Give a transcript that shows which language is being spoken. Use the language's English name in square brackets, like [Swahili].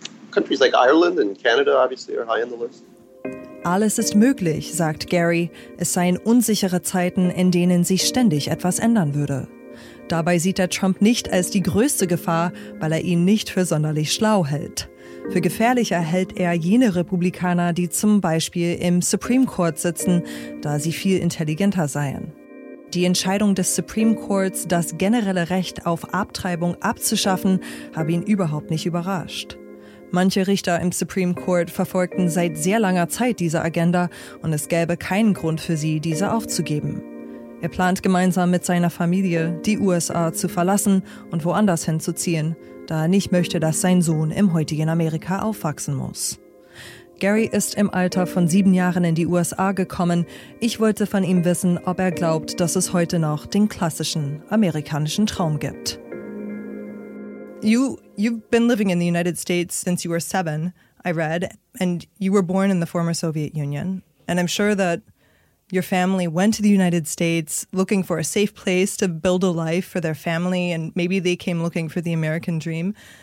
[English] Countries like Ireland and Canada, obviously, are high on the list. [German] Alles ist möglich, sagt Gary. Es seien unsichere Zeiten, in denen sich ständig etwas ändern würde. Dabei sieht er Trump nicht als die größte Gefahr, weil er ihn nicht für sonderlich schlau hält. Für gefährlicher hält er jene Republikaner, die zum Beispiel im Supreme Court sitzen, da sie viel intelligenter seien. Die Entscheidung des Supreme Courts, das generelle Recht auf Abtreibung abzuschaffen, habe ihn überhaupt nicht überrascht. Manche Richter im Supreme Court verfolgten seit sehr langer Zeit diese Agenda und es gäbe keinen Grund für sie, diese aufzugeben. Er plant gemeinsam mit seiner Familie, die USA zu verlassen und woanders hinzuziehen, da er nicht möchte, dass sein Sohn im heutigen Amerika aufwachsen muss. Gary ist im Alter von 7 Jahren in die USA gekommen. Ich wollte von ihm wissen, ob er glaubt, dass es heute noch den klassischen amerikanischen Traum gibt. [English] You've been living in the United States since you were 7, I read, and you were born in the former Soviet Union. And I'm sure that your family went to the United States looking for a safe place to build a life for their family, and maybe they came looking for the American dream.